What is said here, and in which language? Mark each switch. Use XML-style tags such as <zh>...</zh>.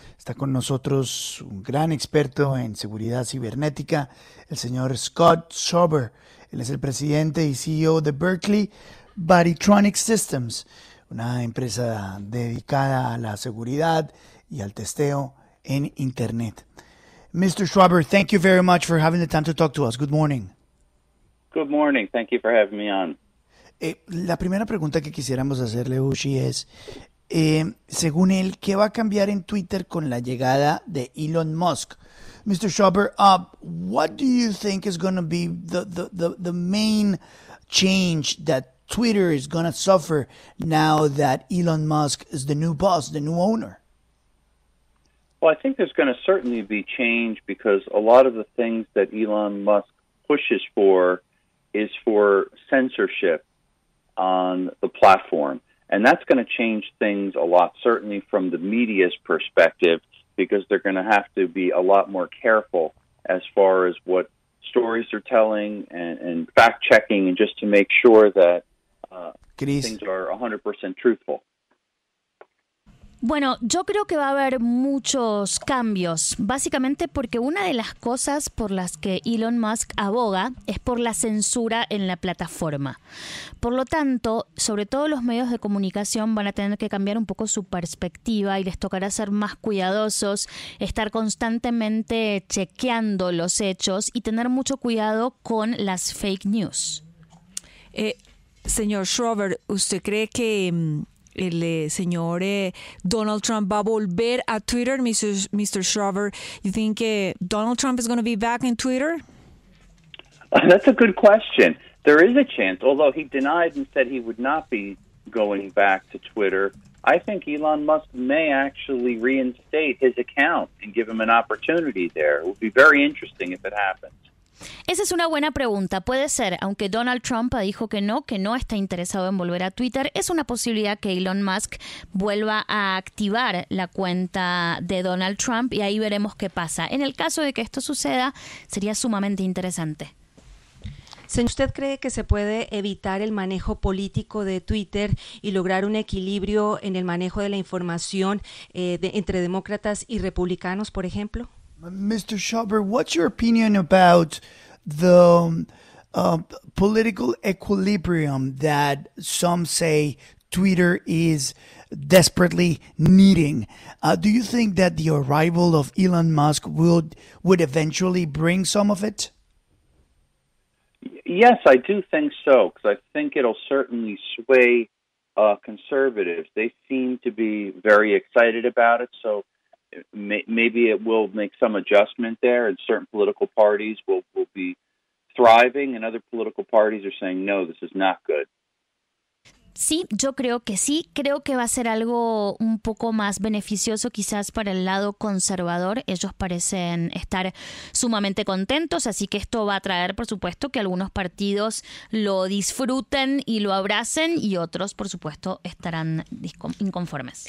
<es>Está con nosotros un gran experto en seguridad cibernética, el señor Scott Schober. Él es el presidente y CEO de Berkeley Varitronic Systems, una empresa dedicada a la seguridad y al testeo en Internet.</es> <en>Mr. Schober, thank you very much for having the time to talk to us. Good morning. Good morning. Thank you for having me on.</en> <es>La primera pregunta que quisiéramos hacerle, Uchi, es, según él, ¿qué va a cambiar en Twitter con la llegada de Elon Musk?</es> <en>Mr. Schober, what do you think is going to be the main change that Twitter is going to suffer now that Elon Musk is the new boss, the new owner? Well, I think there's going to certainly be change because a lot of the things that Elon Musk pushes for is for censorship on the platform. And that's going to change things a lot, certainly from the media's perspective, because they're going to have to be a lot more careful as far as what stories they're telling and fact-checking, and just to make sure that things are 100% truthful.</en> <es>Bueno, yo creo que va a haber muchos cambios, básicamente porque una de las cosas por las que Elon Musk aboga es por la censura en la plataforma. Por lo tanto, sobre todo los medios de comunicación van a tener que cambiar un poco su perspectiva y les tocará ser más cuidadosos, estar constantemente chequeando los hechos y tener mucho cuidado con las fake news. Señor Schober, ¿usted cree que el señor Donald Trump va a volver a Twitter?</es> <en>Mr. Schober, you think Donald Trump is going to be back in Twitter? That's a good question. There is a chance, although he denied and said he would not be going back to Twitter. I think Elon Musk may actually reinstate his account and give him an opportunity there. It would be very interesting if it happens.</en> <es>Esa es una buena pregunta. Puede ser, aunque Donald Trump dijo que no está interesado en volver a Twitter, es una posibilidad que Elon Musk vuelva a activar la cuenta de Donald Trump y ahí veremos qué pasa. En el caso de que esto suceda, sería sumamente interesante. Señor, ¿usted cree que se puede evitar el manejo político de Twitter y lograr un equilibrio en el manejo de la información entre demócratas y republicanos, por ejemplo?</es> <en>Mr. Schober, what's your opinion about the political equilibrium that some say Twitter is desperately needing? Do you think that the arrival of Elon Musk would eventually bring some of it? Yes, I do think so, because I think it'll certainly sway conservatives. They seem to be very excited about it, so maybe it will make some adjustment there, and certain political parties will be thriving, and other political parties are saying, no, this is not good.</en> <es>Sí, yo creo que sí. Creo que va a ser algo un poco más beneficioso quizás para el lado conservador. Ellos parecen estar sumamente contentos, así que esto va a traer, por supuesto, que algunos partidos lo disfruten y lo abracen y otros, por supuesto, estarán inconformes.</es>